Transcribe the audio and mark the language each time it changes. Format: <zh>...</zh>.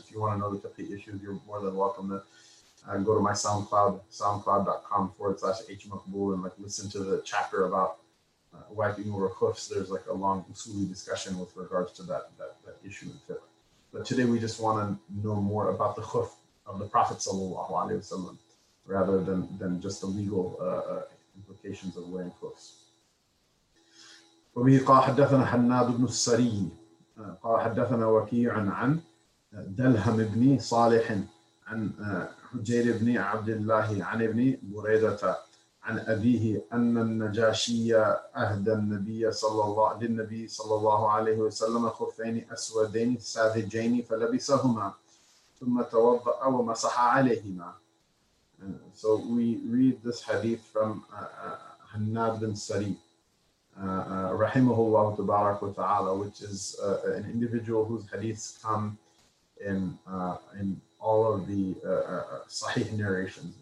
<en>If you want to know the fiqhi issues, you're more than welcome to go to my soundcloud.com/hmakbul and like listen to the chapter about wiping over hoofs. There's like a long usuli discussion with regards to that issue in fiqh. But today we just want to know more about the hoof of the Prophet</en> <ar>sallallahu alayhi wa sallam,</ar> <en>rather than just the legal implications of wearing hoofs.</en> <ar>وَبِهِ قَالَ حَدَّثَنَا حَنَّادُ بْنُ السَّرِيِّ قَالَ حَدَّثَنَا وَكِيعٌ عَنْ دَلْهَمْ بْنِ صَالِحٍ عَنْ حُجَيْرِ بْنِ عَبْدِ اللَّهِ عَنْ ابْنِ بُرَيْدَةَ عَنْ أَبِيهِ أَنَّ النَّجَاشِيَّ أَهْدَى للنبي صلى الله عليه وسلم خفين أسودين ساذجين فلبسهما ثم توضأ ومسح عليهما.</ar> <en>So we read this hadith from Hannad bin Sari,</en> <ar>rahimahullah tabarak wa ta'ala,</ar> <en>which is an individual whose hadiths come in all of the sahih narrations.</en>